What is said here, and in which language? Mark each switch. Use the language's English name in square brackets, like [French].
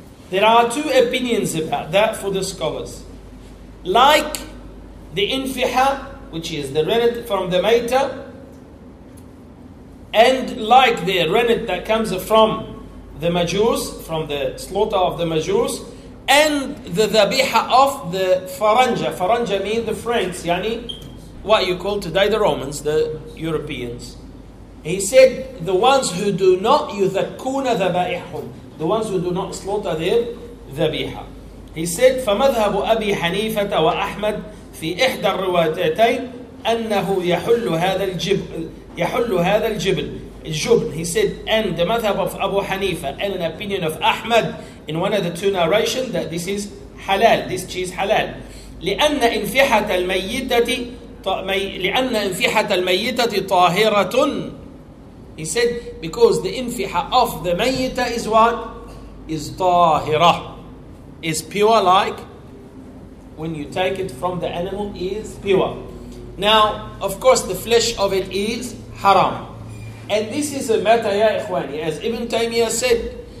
[English] There are two opinions about that for the scholars. Like the infiha, which is the rennet from the maita, and like the rennet that comes from the majus, from the slaughter of the majus, and the dhabiha of the faranja. Faranja means the Franks, yani what you call today the Romans, the Europeans. He said, the ones who do not yudhakuna dhabaihum, the ones who do not slaughter their dhabiha. He said, [Arabic] فَمَذْهَبُ أَبِي حَنِيفَةَ وَأَحْمَدٍ في إحدى الروايتين أنه يحل هذا الجبل يحل هذا الجبل الجبن. [English] He said, and the madhab of Abu Hanifa and an opinion of Ahmad in one of the two narrations, that this is halal, this cheese halal. [Arabic] لأن انفحة الميتة لأن انفحة الميتة طاهرة. [English] He said, because the انفحة of the ميتة is what? Is طاهرة, is pure, like when you take it from the animal, is pure. Now, of course, the flesh of it is haram. And this is a matter, ya ikhwani, as Ibn Taymiyyah said,